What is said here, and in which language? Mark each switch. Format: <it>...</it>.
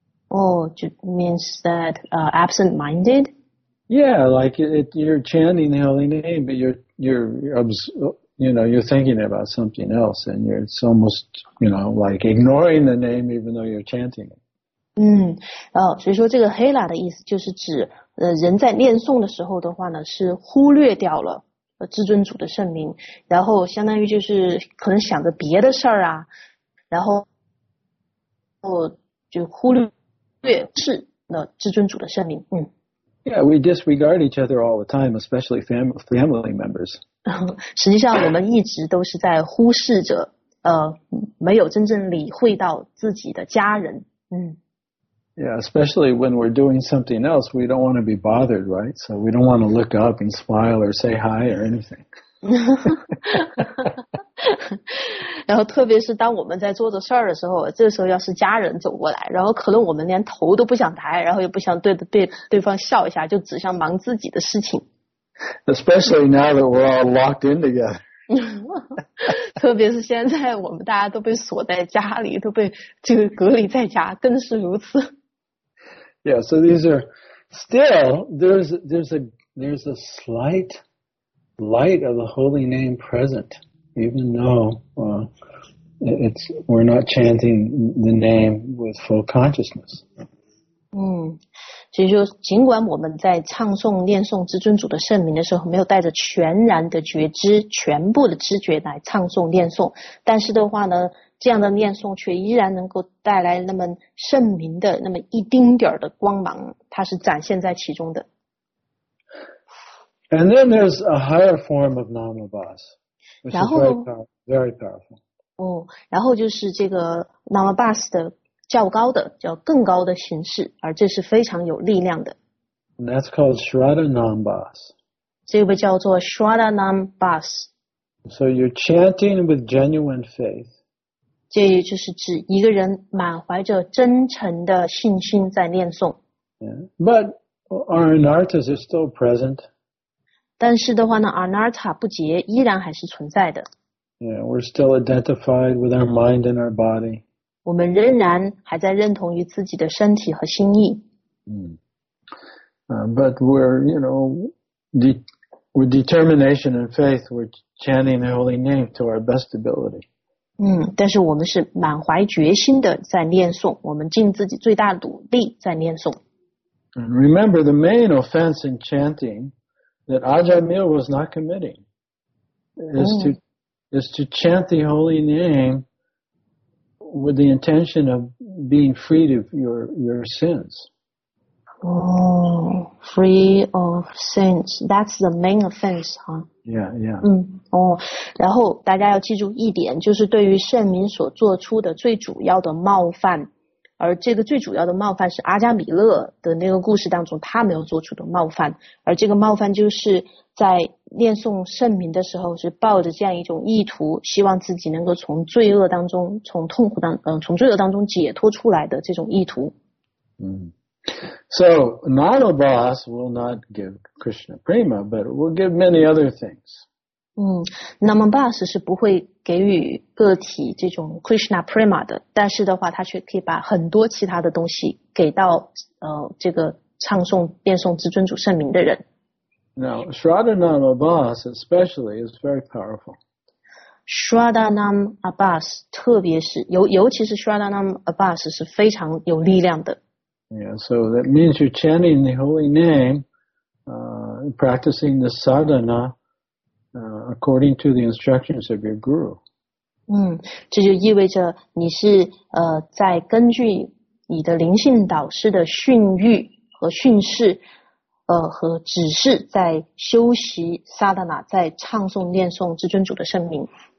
<en>It means that absent-minded? Yeah, like you're chanting the holy name, but you're thinking about something else, and it's almost, you know, like ignoring the name even though you're chanting it.</en> <zh>所以说这个 Hela 的意思就是指人在念诵的时候的话呢是忽略掉了至尊主的圣名，然后相当于就是可能想着别的事儿啊，然后就忽略是那至尊主的圣名。</zh> <en>Yeah, we disregard each other all the time, especially family members.</en> <zh>实际上我们一直都是在忽视着没有真正理会到自己的家人。</zh> <en>Yeah, especially when we're doing something else, we don't want to be bothered, right? So we don't want to look up and smile or say hi or anything.</en> <zh>然后特别是当我们在做着事儿的时候，这时候要是家人走过来，然后可能我们连头都不想抬，然后也不想对方笑一下，就只想忙自己的事情。</zh> <en>Especially now that we're all locked in together.</en> <zh>特别是现在我们大家都被锁在家里，都被就隔离在家，更是如此。</zh> <en>Yeah, so these are still there's a slight light of the holy name present. Even though we're not chanting the name with full consciousness.</en> <zh>所以说尽管我们在唱诵念诵至尊主的圣名的时候没有带着全然的觉知全部的知觉来唱诵念诵，但是的话呢这样的念诵却依然能够带来那么圣名的那么一丁点的光芒，它是展现在其中的。</zh> <en>And then there's a higher form of namabhas.</en> <zh>然后就是这个 nama bas 的较高的叫更高的形式，而这是非常有力量的。</zh> <en>And that's called shraddha nama bas.</en> <zh>这个叫做 shraddha nama bas.</zh> <en>So you're chanting with genuine faith.</en> <zh>这也就是指一个人满怀着真诚的信心在念诵。</zh> <en>Yeah. But arnartas is still present.</en> <zh>但是的话呢 ,Anartha 不洁依然还是存在的。</zh> <en>Yeah, we're still identified with our mind and our body.</en> <zh>我们仍然还在认同于自己的身体和心意。</zh> <en>But with determination and faith, we're chanting the holy name to our best ability.</en> <zh>但是我们是满怀决心的在念诵，我们尽自己最大努力在念诵。</zh> <en>And remember the main offense in chanting that Ajahn Mir was not committing is to chant the holy name with the intention of being freed of your sins. Oh, free of sins. That's the main offense, huh? Yeah, yeah.</en> <zh>然后大家要记住一点，就是对于圣名所做出的最主要的冒犯，而这个最主要的冒犯是阿加米勒的那个故事当中他没有做出的冒犯，而这个冒犯就是在念诵圣名的时候是抱着这样一种意图，希望自己能够从罪恶当中，从痛苦当，从罪恶当中解脱出来的这种意图。</zh> <en>So, Nanda Boss will not give Krishna Prema, but will give many other things.</en> <zh>Nanda Boss 是不会给予个体这种 Krishna Prema 的，但是的话，他却可以把很多其他的东西给到这个唱诵、念诵至尊主圣名的人。</zh> <en>Now, Shraddhananda Boss especially is very powerful.</en> <zh>Shraddhananda Boss 特别是尤其是 Shraddhananda Boss 是非常有力量的。</zh> <en>Yeah, so that means you're chanting the holy name, practicing the sadhana, according to the instructions of your guru.</en> <zh>这就意味着你是在根据你的灵性导师的训谕和训示，和指示在修习 sadhana, 在唱诵念诵至尊主的圣名。</zh>